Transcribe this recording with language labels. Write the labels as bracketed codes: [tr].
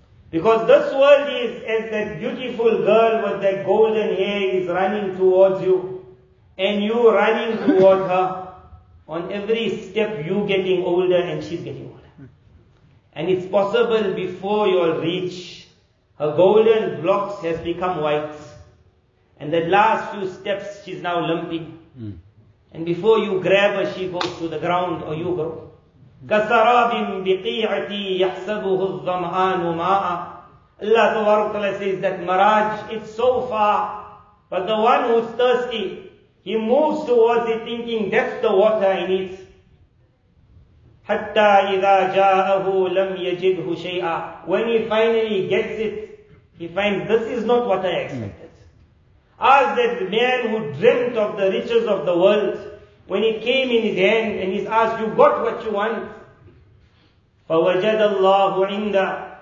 [en] Because this world is as that beautiful girl with that golden hair is running towards you, and you running toward her, on every step you getting older and she's getting older. And it's possible before you'll reach, her golden locks has become white. And the last few steps, she's now limping. And before you grab her, she goes to the ground or you go. [ar] كَسَرَابٍ بِقِيْعَتِي يَحْسَبُهُ الظَّمْآنُ مَاءً. [en] Allah Ta'ala says that Miraj, it's so far. But the one who's thirsty, he moves towards it thinking that's the water he needs. [ar] حتى إذا جاءه لم يجده شيئا. [en] When he finally gets it, he finds this is not what I expected. Ask that man who dreamt of the riches of the world, when he came in his hand and he's asked, you got what you want? [ar] فوجد الله عنده.